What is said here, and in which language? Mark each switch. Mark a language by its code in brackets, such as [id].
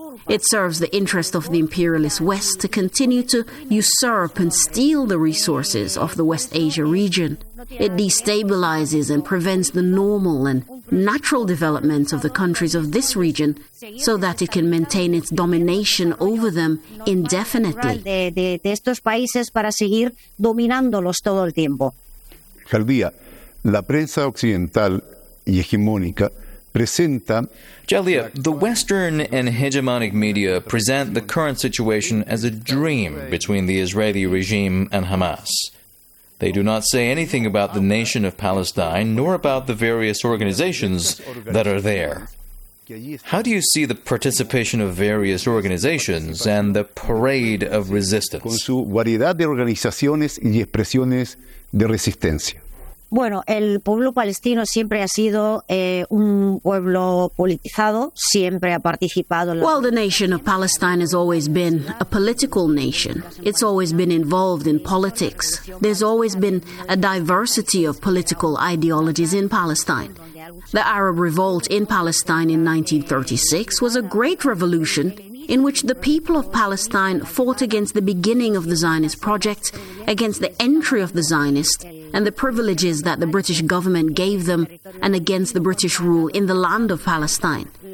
[en] It serves the interest of the imperialist West to continue to usurp and steal the resources of the West Asia region. It destabilizes and prevents the normal and natural development of the countries of this region so that it can maintain its domination over them indefinitely. [es] De estos países para seguir dominándolos todo el tiempo. Jaldía, la prensa occidental y hegemónica presenta... [en] Jaldía, the Western and hegemonic media present the current situation as a dream between the Israeli regime and Hamas. They do not say anything about the nation of Palestine, nor about the various organizations that are there. How do you see the participation of various organizations and the parade of resistance? [es] Con su variedad de organizaciones y expresiones de resistencia. Bueno, el pueblo palestino siempre ha sido un pueblo politizado, siempre ha participado... [en] Well, the nation of Palestine has always been a political nation. It's always been involved in politics. There's always been a diversity of political ideologies in Palestine. The Arab Revolt in Palestine in 1936 was a great revolution in which the people of Palestine fought against the beginning of the Zionist project, against the entry of the Zionists, and the privileges that the British government gave them, and against the British rule in the land of Palestine.